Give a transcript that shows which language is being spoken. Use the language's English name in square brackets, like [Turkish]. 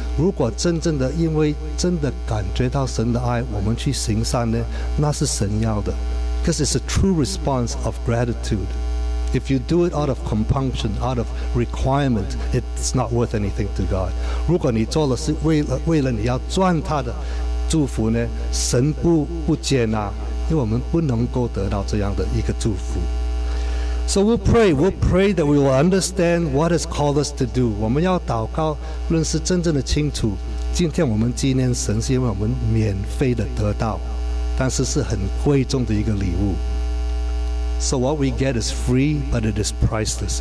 [Chinese] 如果真正的因为真的感觉到神的爱， 我们去行善呢， 那是神要的。 [English] Because it's a true response of gratitude. If you do it out of compunction, out of requirement, it's not worth anything to God. [Chinese] 如果你做了是为了你要赚他的祝福呢， 神不接纳， 因为我们不能够得到这样的一个祝福。 [English] So we'll pray that we will understand what has called us to do. [Chinese] 我们要祷告，认识真正的清楚。今天我们纪念神，是因为我们免费的得到，但是是很贵重的一个礼物。 [English] So what we get is free, but it is priceless.